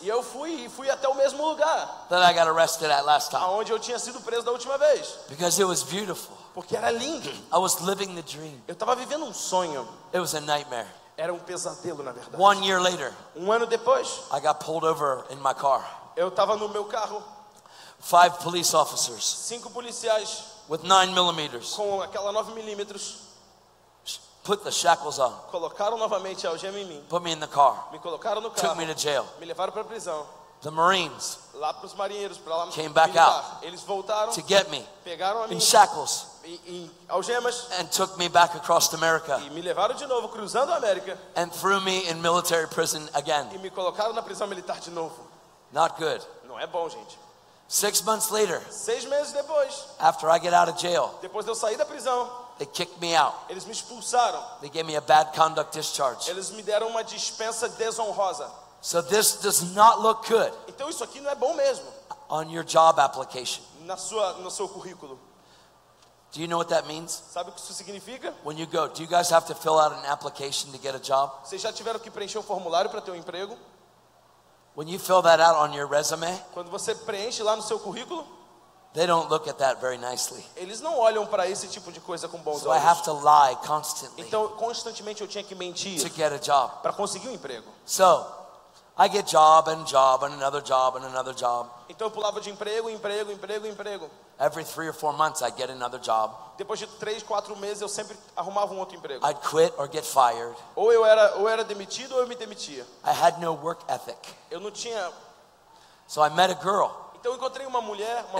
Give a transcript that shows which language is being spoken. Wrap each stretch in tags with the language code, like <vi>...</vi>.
<pt>E eu fui até o mesmo lugar.</pt> <en>That I got arrested at last time.</en> <pt>Aonde eu tinha sido preso da última vez.</pt> <en>Because it was beautiful.</en> <pt>Porque era lindo.</pt> <en>I was living the dream.</en> <pt>Eu estava vivendo um sonho.</pt> <en>It was a nightmare.</en> <pt>Era um pesadelo, na verdade.</pt> <en>1 year later.</en> <pt>Um ano depois.</pt> <en>I got pulled over in my car.</en> <pt>Eu estava no meu carro.</pt> <en>5 police officers.</en> <pt>5 policiais.</pt> <en>With 9 millimeters.</en> <pt>Com aquela 9 milímetros.</pt> <en>Put the shackles on.</en> <pt>Colocaram novamente a algema em mim.</pt> <en>Put me in the car.</en> <pt>Me colocaram no carro.</pt> <en>Took me to jail.</en> <pt>Me levaram para a prisão.</pt> <en>The Marines.</en> <pt>Lá para os marinheiros, para lá.</pt> <en>Came back out.</en> <pt>Eles voltaram.</pt> <en>To get me.</en> <pt>Pegaram a mim.</pt> <en>In shackles.</en> <pt>Em algemas.</pt> <en>And took me back across America.</en> <pt>E me levaram de novo cruzando a América.</pt> <en>And threw me in military prison again.</en> <pt>E me colocaram na prisão militar de novo.</pt> <en>Not good.</en> <pt>Não é bom, gente.</pt> <en>6 months later.</en> <pt>6 meses depois.</pt> <en>After I get out of jail.</en> <pt>Depois de eu sair da prisão.</pt> <en>They kicked me out.</en> <pt>Eles me expulsaram.</pt> <en>They gave me a bad conduct discharge.</en> <pt>Eles me deram uma dispensa desonrosa.</pt> <en>So this does not look good.</en> <pt>Então isso aqui não é bom mesmo.</pt> <en>On your job application.</en> <pt>No seu currículo.</pt> <en>Do you know what that means?</en> <pt>Sabe o que isso significa?</pt> <en>When you go, do you guys have to fill out an application to get a job?</en> <pt>Vocês já tiveram que preencher um formulário para ter um emprego?</pt> <en>When you fill that out on your resume?</en> <pt>Quando você preenche lá no seu currículo?</pt> <en>They don't look at that very nicely.</en> <pt>Eles não olham para esse tipo de coisa com bons</pt> <en>so</en> <pt>olhos.</pt> <en>I have to lie constantly.</en> <pt>Então constantemente eu tinha que mentir.</pt> <en>To get a job.</en> <pt>Para conseguir um emprego.</pt> <en>So, I get job and job and another job and another job.</en> <pt>Então eu pulava de emprego, emprego, emprego, emprego.</pt> <en>Every 3 or 4 months I get another job.</en> <pt>Depois de 3, 4 meses eu sempre arrumava um outro emprego.</pt> <en>I'd quit or get fired.</en> <pt>Ou eu era demitido ou eu me demitia.</pt> <en>I had no work ethic.</en> <pt>Eu não tinha.</pt> <en>So I met a girl.</en> <pt>Então eu encontrei uma mulher, uma</pt>